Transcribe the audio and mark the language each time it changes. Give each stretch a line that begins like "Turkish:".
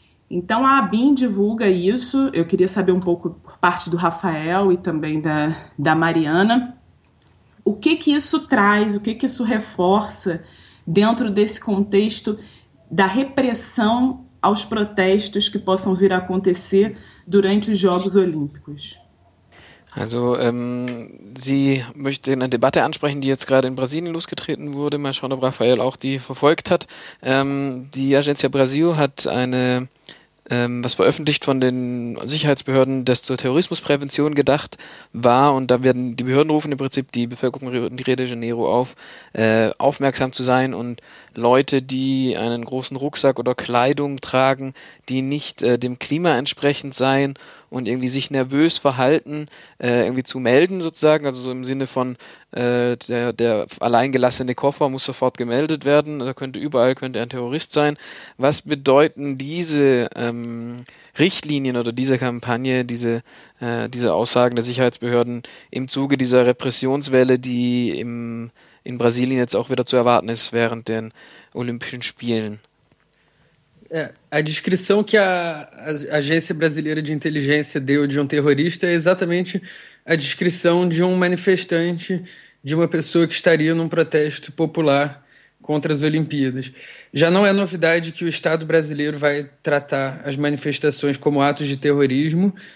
Portuguese: Então, a ABIN divulga isso. Eu queria saber um pouco, por parte do Rafael e também da Mariana, o que que isso traz, o que que isso reforça dentro desse contexto da repressão aos protestos que possam vir a acontecer durante os Jogos Olímpicos.
German: Also, sie möchte eine Debatte ansprechen, die jetzt gerade in Brasilien losgetreten wurde. Mal schauen, ob Rafael auch die verfolgt hat. Die Agência Brasil hat eine was veröffentlicht von den Sicherheitsbehörden, das zur Terrorismusprävention gedacht war. Und da werden die Behörden rufen im Prinzip die Bevölkerung in Rio de Janeiro auf, aufmerksam zu sein und Leute, die einen großen Rucksack oder Kleidung tragen, die nicht dem Klima entsprechend seien und irgendwie sich nervös verhalten, irgendwie zu melden sozusagen, also so im Sinne von der alleingelassene Koffer muss sofort gemeldet werden, da könnte ein Terrorist sein. Was bedeuten diese Richtlinien oder diese Kampagne, diese Aussagen der Sicherheitsbehörden im Zuge dieser Repressionswelle, die in Brasilien jetzt auch wieder zu erwarten ist während den Olympischen Spielen?
Portuguese: A descrição que a Agência Brasileira de Inteligência deu de um terrorista é exatamente a descrição de um manifestante, de uma pessoa que estaria num protesto popular contra as Olimpíadas. Já não é novidade que o Estado brasileiro vai tratar as manifestações como atos de terrorismo.